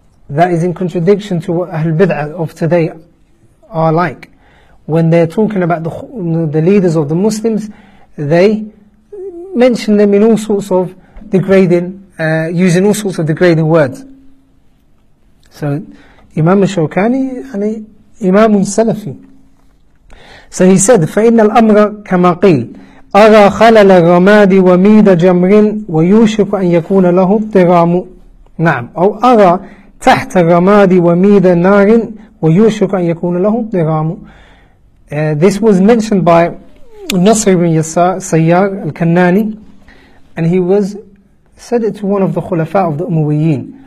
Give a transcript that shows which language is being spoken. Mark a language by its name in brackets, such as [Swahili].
[English] That is in contradiction to what Ahl Bid'ah of today are like. When they're talking about the leaders of the Muslims, they mention them in all sorts of degrading, using all sorts of degrading words. So Imam al-Shawkani, Imam al-Salafi, so he said, [Arabic] فَإِنَّ الْأَمْرَ كَمَا قِيلْ أَرَى خَلَلَ الرَّمَادِ وَمِيدَ جَمْرٍ وَيُوشِكُ أَنْ يَكُونَ لَهُ اضْطِرَامُ نعم أو أرى تَحْتَ الرَّمَادِ وَمِيدَ نَارٍ وَيُوشِكُ أَنْ يَكُونَ لَهُ اضْطِرَامُ. [English] This was mentioned by Nasr ibn Yasar Sayyar al-Kannani, and he was said it to one of the Khulafa of the Umayyin.